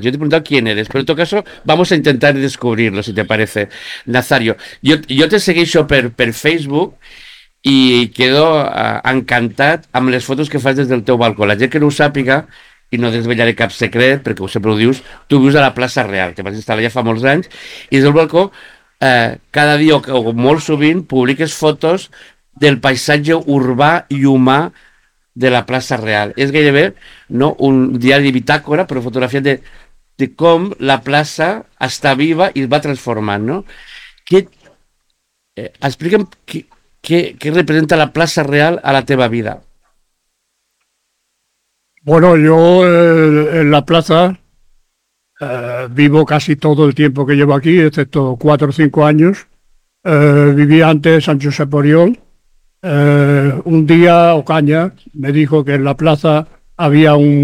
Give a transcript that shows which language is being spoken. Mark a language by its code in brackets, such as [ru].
[es] Yo te he preguntado quién eres, pero en todo caso vamos a intentar descubrirlo, si te parece. Nazario, yo te seguí yo per Facebook... [ca] I quedo encantat amb les fotos que fas des del teu balcó. La gent que no ho sàpiga, i no desvetllaré cap secret, perquè sempre ho dius, tu vius a la plaça Real, que vas instal·lar ja fa molts anys, i des del balcó cada dia o molt sovint publiques fotos del paisatge urbà i humà de la plaça Real. És gairebé no, un diari de bitàcora, però fotografia de com la plaça està viva i es va transformant. No? Explica'm... [es] ¿Qué representa la Plaza Real [ca] a la teva vida? [es] Bueno, yo en la plaza vivo casi todo el tiempo que llevo aquí, excepto 4 o 5 años. Viví antes en San Josep Oriol. Un día Ocaña me dijo que en la plaza había